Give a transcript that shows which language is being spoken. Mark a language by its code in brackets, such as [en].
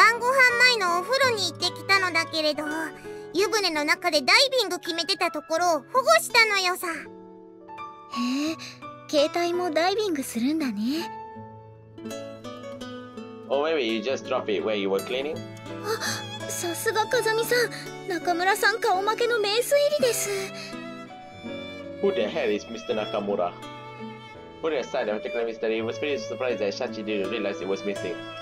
[ja] さっき晩御飯前のお風呂に行ってきたのだけれど 湯船の中でダイビング決めてたところを保護したのよさへえ、携帯もダイビングするんだね [en] Oh, maybe you just dropped it where you were cleaning? [ja] あ、さすがかざみさん 中村さん顔負けの名推理です [en] Who the hell is Mr. Nakamura? Putting aside the technical mystery, it was pretty surprised that Sachi didn't realize it was missing.